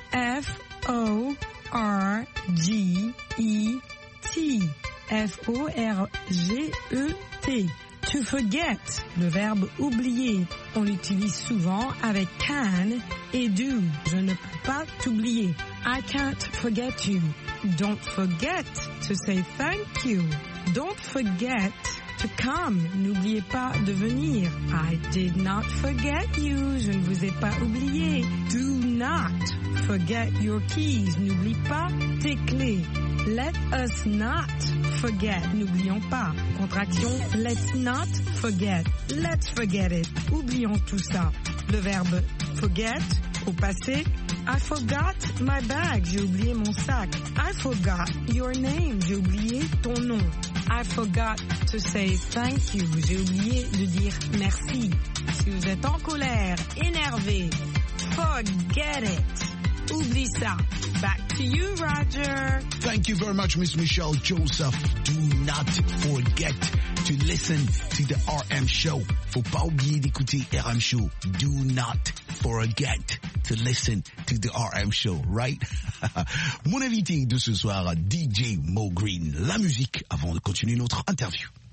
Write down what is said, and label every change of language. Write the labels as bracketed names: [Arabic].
[English] F O R G E T. F O R G E T. [French] To forget, le verbe oublier, on l'utilise souvent avec can et do. Je ne peux pas t'oublier. [English] I can't forget you. Don't forget to say thank you. Don't forget to come. [French] N'oubliez pas de venir. [English] I did not forget you. [French] Je ne vous ai pas oublié. [English] Do not forget your keys. [French] N'oublie pas tes clés. [English] Let us not forget. [French] N'oublions pas. [English] Contraction, let's not forget. Let's forget it. [French] Oublions tout ça. Le verbe forget, au passé. [English] I forgot my bag. [French] J'ai oublié mon sac. [English] I forgot your name. [French] J'ai oublié ton nom. [English] I forgot to say thank you. [French] J'ai oublié de dire merci. Si vous êtes en colère, énervé, [English] forget it. [French] Oublie ça. [English] Back to you, Roger. Thank you very much, Miss Michelle Joseph. Do not forget to listen to the RM Show. [French] Faut pas oublier d'écouter RM Show. [English] Do not forget to listen to the RM Show, right? [French] Mon invité de ce soir, DJ Mo Green. La musique avant de continuer notre interview.